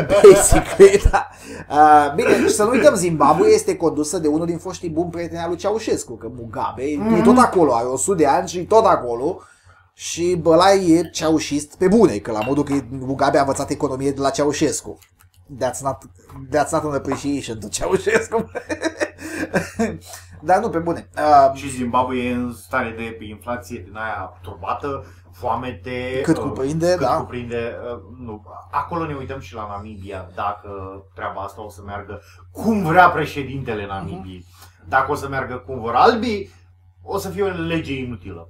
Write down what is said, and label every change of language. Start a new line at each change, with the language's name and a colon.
English: Basically, da.
Romanian: Bine, să nu uităm, Zimbabwe este condusă de unul din foștii buni prieteni al lui Ceaușescu, că Mugabe e tot acolo, are 100 de ani și tot acolo. Și bălai e ceaușist pe bune, că la modul că Mugabe a învățat economie de la Ceaușescu.
English: That's not an appreciation to Ceaușescu.
Romanian: Dar nu, pe bune. Și Zimbabwe e în stare de inflație din aia turbată, foamete... Cât cuprinde, cât da. Cuprinde, nu. Acolo ne uităm și la Namibia, dacă treaba asta o să meargă cum vrea președintele Namibiei. Uh-huh. Dacă o să meargă cum vor albii, o să fie o lege inutilă.